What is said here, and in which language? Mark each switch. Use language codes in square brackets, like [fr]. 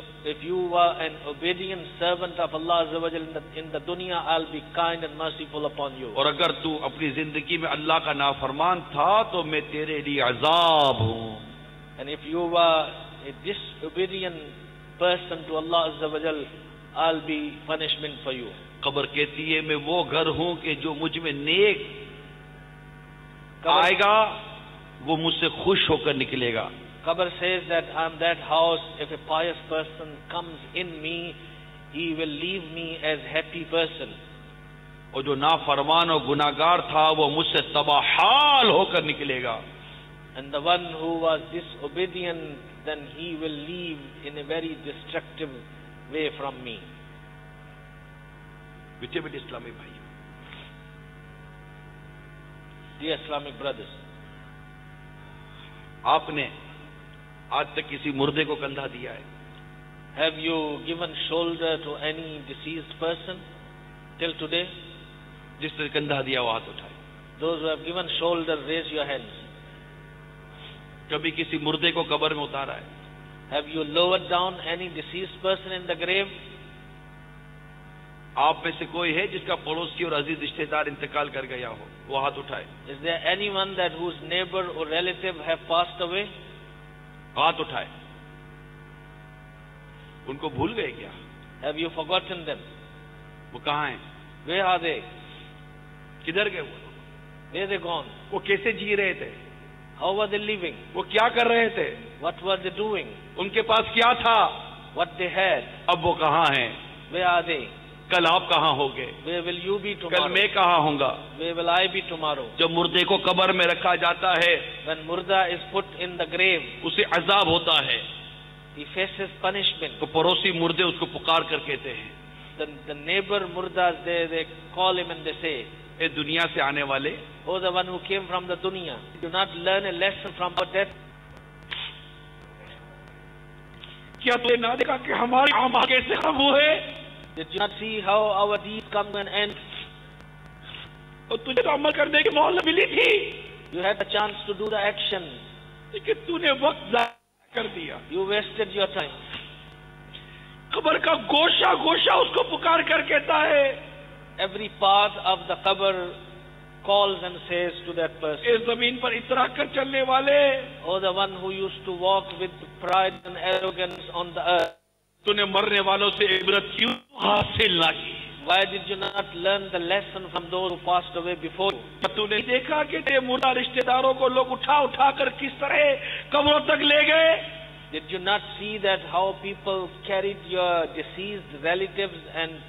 [en] If you were an obedient servant of Allah عز و جل in the dunya, I'll be kind and merciful upon you. [ur] اور اگر تو اپنی زندگی میں اللہ کا نافرمان تھا تو میں تیرے لیے عذاب ہوں. [en] And if you were a disobedient person to Allah عز و جل, I'll be punishment for you. [ur] قبر کہتی ہے, میں وہ گھر ہوں کہ جو مجھ میں نیک آئے گا وہ مجھ سے خوش ہو کر نکلے گا. [en] قبر says that I'm that house, if a pious person comes in me, he will leave me as happy person. [ur] اور جو نافرمان اور گناہگار تھا وہ مجھ سے تباہ حال ہو کر نکلے گا. [en] And the one who was disobedient, then he will leave in a very destructive way from me. [ur] بیٹے بیٹے اسلامی بھائی, [en] Dear Islamic brothers, [ur] آپ نے آج تک کسی مردے کو کندھا دیا ہے؟ [en] Have you given shoulder to any deceased person till today? [ur] جس نے کندھا دیا وہ ہاتھ اٹھائے. [en] Those who have given shoulder, raise your hands. [ur] کبھی کسی مردے کو قبر میں اتارا ہے؟ [en] Have you lowered down any deceased person in the grave? [ur] آپ میں سے کوئی ہے جس کا پڑوسی اور عزیز رشتہ دار انتقال کر گیا ہو؟ وہ ہاتھ اٹھائے. [en] Is there anyone that whose neighbor or relative have passed away? [ur] ہاتھ اٹھائے. ان کو بھول گئے کیا؟ [en] Have you forgotten them? [ur] وہ کہاں ہیں؟ [en] Where are they? [ur] کدھر گئے وہ؟ [en] Where they gone? [ur] وہ کیسے جی رہے تھے؟ [en] How were they living? [ur] وہ کیا کر رہے تھے؟ [en] What were they doing? [ur] ان کے پاس کیا تھا؟ [en] What they had? [ur] اب وہ کہاں ہیں؟ [en] Where are they? [ur] کل آپ کہاں ہوں گے؟ [en] Where will you be tomorrow? [ur] کل میں کہاں ہوں گا؟ [en] Where will I be tomorrow? [ur] جب مردے کو قبر میں رکھا جاتا ہے, [en] when murda is put in the grave, [ur] اسے عذاب ہوتا ہے. [en] He faces punishment. [ur] تو پڑوسی مردے اس کو پکار کر کہتے ہیں, [en] the neighbor murda, they call him and they say, [ur] اے دنیا سے آنے والے, [en] oh the one who came from the dunya, do not learn a lesson from our death. [ur] کیا تو نے نہ دیکھا کہ ہماری اعمال کیسے خراب ہوئے؟ [en] Did you not see how our deeds come to an end? [ur] اور تجھے تو عمل کرنے کی مہلت ملی تھی. [en] You had a chance to do the action. [ur] لیکن تُو نے وقت ضائع کر دیا. [en] You wasted your time. [ur] قبر کا گوشہ گوشہ اس کو پکار کر کہتا ہے. [en] Every part of the qabr calls and says to that person. [ur] اے زمین پر اترا کر چلنے والے. [en] Oh, the one who used to walk with pride and arrogance on the earth. [ur] تو نے مرنے والوں سے عبرت کیوں حاصل نہ کی؟ [en] Why did you not learn the lesson from those who passed away before you? [ur] تو نے دیکھا کہ تیرے مردہ رشتہ داروں کو لوگ اٹھا اٹھا کر کس طرح قبروں تک لے گئے؟ [en] Did you not see that how people carried your deceased relatives and